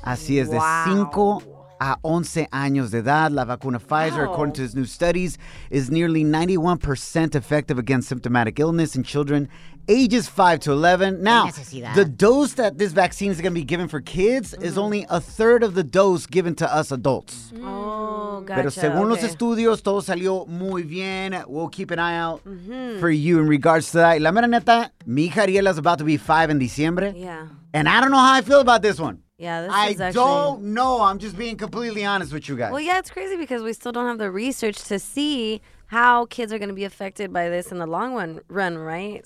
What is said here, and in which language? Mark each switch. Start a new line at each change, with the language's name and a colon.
Spanish: Así es, wow. De 5 a 11 años de edad, la vacuna Pfizer,
English: according to his new studies, is nearly 91% effective against symptomatic illness in children ages 5 to 11. Now, the dose that this vaccine is going to be given for kids is only a third of the dose given to us adults. Oh, gotcha.
Spanish: Pero según los estudios, todo salió muy bien.
English: We'll keep an eye out for you in regards to that.
Spanish: La mera neta, mi hija
English: Ariela is about to be 5 in
Spanish: diciembre.
English: Yeah. And I don't know how I feel about this one. I don't know. I'm just being completely honest with you guys. Well, yeah, it's crazy because we still don't have the research to see how kids are going to be affected by this in the long run, right?